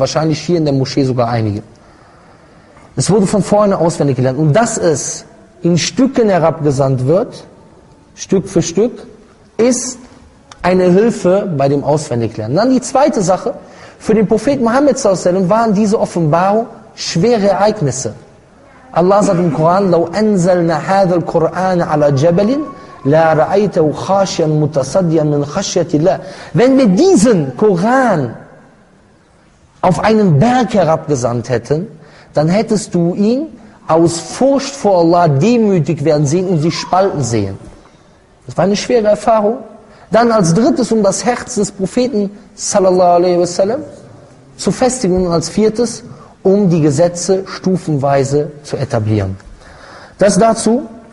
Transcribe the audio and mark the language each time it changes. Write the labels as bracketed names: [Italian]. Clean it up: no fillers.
[German] Wahrscheinlich hier in der Moschee sogar einige. Es wurde von vorne auswendig gelernt. Und dass es in Stücken herabgesandt wird, Stück für Stück, ist eine Hilfe bei dem Auswendiglernen. Dann die zweite Sache. Für den Propheten Muhammad s.a.w. waren diese Offenbarung schwere Ereignisse. Allah sagt im Koran, [Arabic] لو أنزلنا هذا القرآن على جبل لا رأيته خاشيا متصديا من خشية الله. [German] Wenn wir diesen Koran auf einen Berg herabgesandt hätten, dann hättest du ihn aus Furcht vor Allah demütig werden sehen und sich spalten sehen. Das war eine schwere Erfahrung. Dann als drittes, um das Herz des Propheten sallallahu alaihi wasallam zu festigen, und als viertes, um die Gesetze stufenweise zu etablieren. Das dazu.